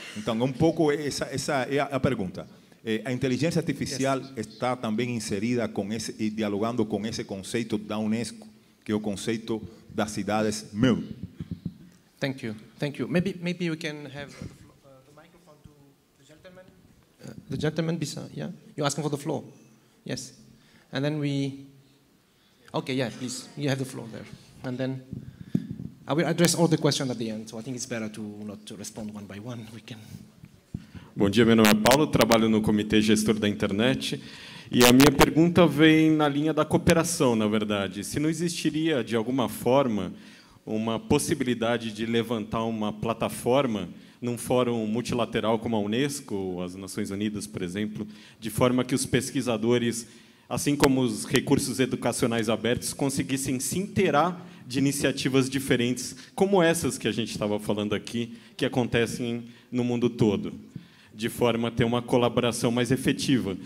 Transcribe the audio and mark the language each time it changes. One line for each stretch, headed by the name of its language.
Portuguese: Então, um pouco essa é a pergunta. A inteligência artificial está também inserida com esse, e dialogando com esse conceito da UNESCO, que é o conceito das cidades meu.
English: Thank you. Thank you. Maybe we can have the microphone to the gentleman. The gentleman beside, yeah? You're asking for the floor? Yes. And then we... Okay, yeah, please. You have the floor there. And then I will address all the questions at the end, so I think it's better to not to respond one by one. We can...
Portuguese: Bom dia, meu nome é Paulo, trabalho no Comitê Gestor da Internet, e a minha pergunta vem na linha da cooperação, na verdade. Se não existiria, de alguma forma, uma possibilidade de levantar uma plataforma num fórum multilateral como a UNESCO, ou as Nações Unidas, por exemplo, de forma que os pesquisadores, assim como os recursos educacionais abertos, conseguissem se inteirar de iniciativas diferentes, como essas que a gente estava falando aqui, que acontecem no mundo todo, de forma a ter uma colaboração mais efetiva.